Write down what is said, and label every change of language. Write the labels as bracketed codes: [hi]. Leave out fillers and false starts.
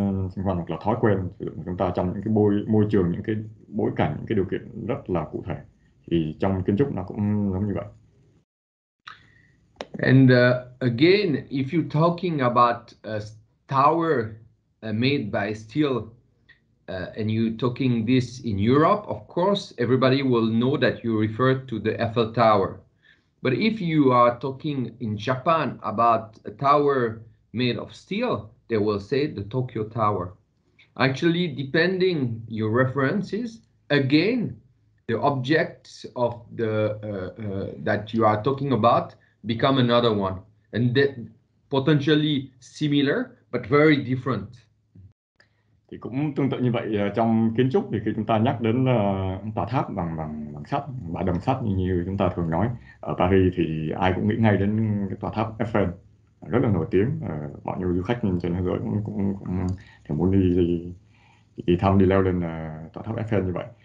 [vi] sinh hoạt hoặc là thói quen của chúng ta trong những cái môi trường, những cái bối cảnh, những cái điều kiện rất là cụ thể, thì trong kiến trúc nó cũng giống như vậy. [en] And again, if you're talking about a tower made by steel, and you're talking this in Europe, of course, everybody will know that you refer to the Eiffel Tower. But if you are talking in Japan about a tower made of steel, they will say the Tokyo Tower. Actually, depending your references, again, the objects of the that you are talking about become another one, and that potentially similar, but very different. [vi] Thì cũng tương tự như vậy trong kiến trúc thì khi chúng ta nhắc đến tòa tháp bằng sắt, bả đồng sắt như chúng ta thường nói ở Paris thì ai cũng nghĩ ngay đến cái tòa tháp Eiffel rất là nổi tiếng, bao nhiêu du khách trên thế giới cũng thì muốn đi leo lên tòa tháp Eiffel như vậy.